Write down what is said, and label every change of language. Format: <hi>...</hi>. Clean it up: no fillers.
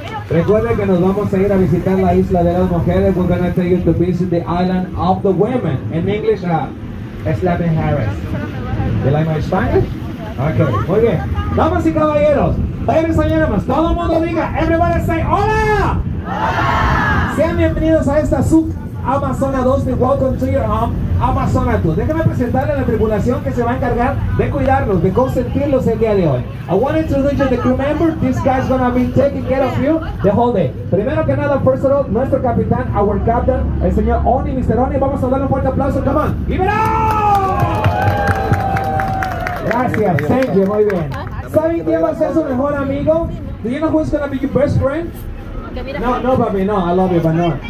<es>Recuerden que nos vamos a ir a visitar la isla de las mujeres.</es> <en>We're going to take you to visit the island of the women. In English,</en> <es>es la de Harris.</es> <en>You like my Spanish? Okay,</en> <es>muy bien. Damas y caballeros,</es> <en>ladies and gentlemen,</en> <es>todo el mundo diga,</es> <en>everybody say</en> <es>hola! Hola! Sean bienvenidos a esta sub Amazona 2,</es> <en>welcome to your home,</en> <es>Amazona 2. Déjame presentarle a la tripulación que se va a encargar de cuidarlos, de consentirlos el día de hoy.</es> <en>I want to introduce you the crew member. This guy's gonna be taking care of you the whole day.</en> <es>Primero que nada,</es> <en>first of all,</en> <es>nuestro capitán,</es> <en>our captain,</en> <es>el señor Oni, Mr. Oni. Vamos a darle un fuerte aplauso,</es> <en>come on.</en> <es>¡Libero! Gracias,</es> <en>thank you,</en> <es>muy bien. ¿Saben quién va a ser su mejor amigo?</es> <en>Do you know who's gonna be your best friend?</en> <es>No, no, papi, no,</es> <en>I love you, but no.</en>